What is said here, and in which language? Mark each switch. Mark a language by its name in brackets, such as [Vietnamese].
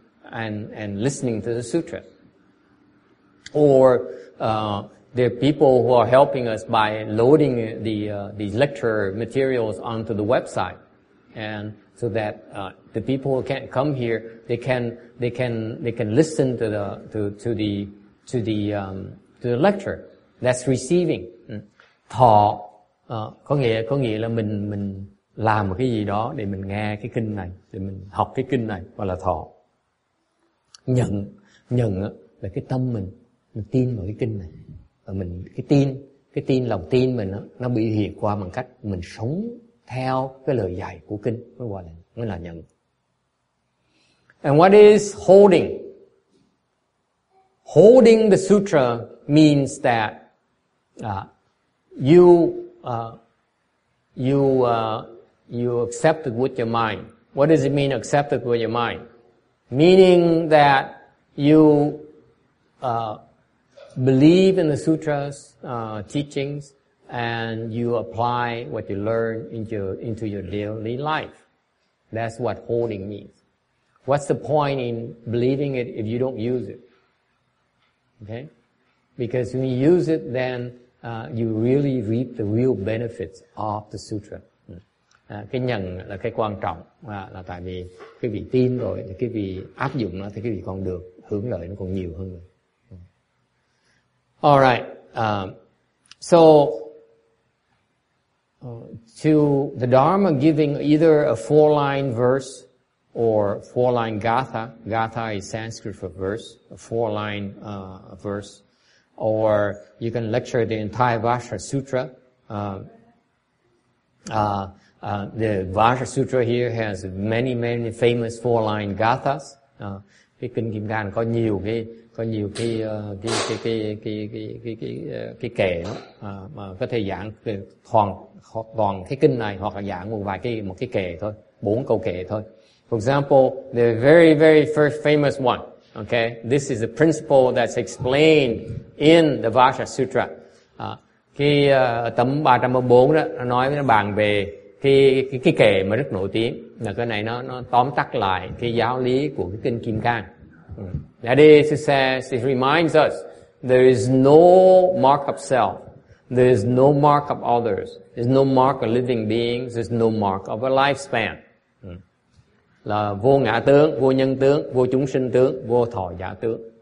[English] And listening to the sutra. Or, there are people who are helping us by loading the lecture materials onto the website. And so that, the people who can't come here, they can listen to the lecture. That's receiving. [Vietnamese] Thọ, có nghĩa là mình làm một cái gì đó để mình nghe cái kinh này, để mình học cái kinh này, gọi là thọ. Nhận là cái tâm mình tin vào cái kinh này, và mình cái tin lòng tin mình nó bị hiện qua bằng cách mình sống theo cái lời dạy của kinh, mới là nhận. [English] And what is holding the sutra means that you accept it with your mind. What does it mean, accept it with your mind? Meaning that you believe in the sutras, teachings, and you apply what you learn into your daily life. That's what holding means. What's the point in believing it if you don't use it? Okay? Because when you use it, then you really reap the real benefits of the sutra. [Vietnamese] Cái nhận là cái quan trọng, là tại vì cái vị tin rồi, cái vị áp dụng nó, thì cái vị còn được hưởng lợi nó còn nhiều hơn. [English] Alright, to the Dharma giving either a four-line verse or four-line gatha. Gatha is Sanskrit for verse, a four-line verse. Or you can lecture the entire Vajra Sutra. The Vajra Sutra here has many, many famous four-line gathas. [Vietnamese] Cái kinh Kim Cang có nhiều cái kệ đó mà có thể giảng toàn cái kinh này hoặc là giảng một vài cái một cái kệ thôi, bốn câu kệ thôi. [English] For example, the very very first famous one. Okay, this is the principle that's explained in the Vajra Sutra. [Vietnamese] Cái tấm 304 đó nói với bạn về cái kệ mà rất nổi tiếng là cái này nó tóm tắt lại cái giáo lý của cái kinh Kim Cang. [English] That is, it says, it reminds us, there is no mark of self, there is no mark of others, there is no mark of living beings, there is no mark of a lifespan. [Vietnamese] Là vô ngã tướng, vô nhân tướng, vô chúng sinh tướng, vô thọ giả tướng.